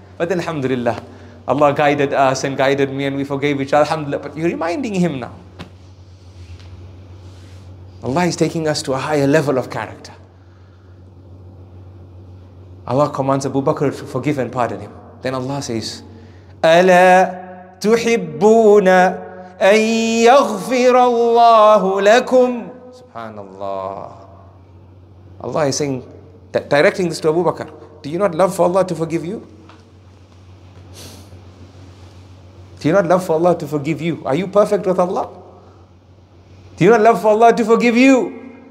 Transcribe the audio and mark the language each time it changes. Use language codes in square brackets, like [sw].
[en] But then, alhamdulillah, Allah guided us and guided me and we forgave each other, alhamdulillah. But you're reminding him now. Allah is taking us to a higher level of character. Allah commands Abu Bakr to forgive and pardon him. Then Allah says, [ar] أَلَا تُحِبُّونَ أَن يَغْفِرَ اللَّهُ لَكُمْ. Subhanallah. [en] Allah is saying, directing this to Abu Bakr, do you not love for Allah to forgive you? Do you not love for Allah to forgive you? Are you perfect with Allah? Do you not love for Allah to forgive you?